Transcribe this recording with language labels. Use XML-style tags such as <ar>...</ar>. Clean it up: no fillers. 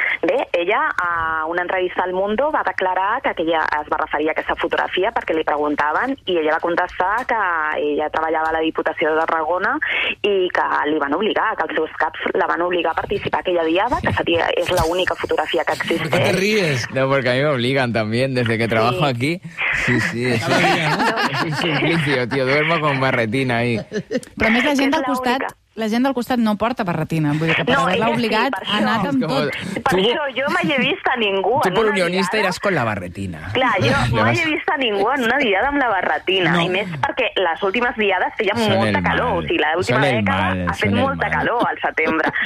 <ca>Bé, ella a una entrevista al Mundo va declarar que ella es va referir a aquesta fotografia perquè li preguntaven, i ella va contestar que ella treballava a la Diputació de Tarragona i que li van obligar, que els seus caps la van obligar a participar aquella diada, que és l'única fotografia que existeix. Per què</ca> <es>te ríes?</es> <ca>No, perquè a mi m'obliguen també, des que treballo aquí.</ca> <es>Sí, sí, és un suplicio, tio, duermo con barretina ahí.</es> <ca>Però més la gent del costat... La gent del costat no porta barretina, vull dir que per haver-la obligat a anar amb tot. Per això jo mai he vist a ningú. Tu per unionista iràs con la barretina. Clar, jo mai he vist a ningú en una diada amb la barretina. I més perquè les últimes diades feien molta calor. O sigui, l'última dècada ha fet molta calor al setembre.</ca>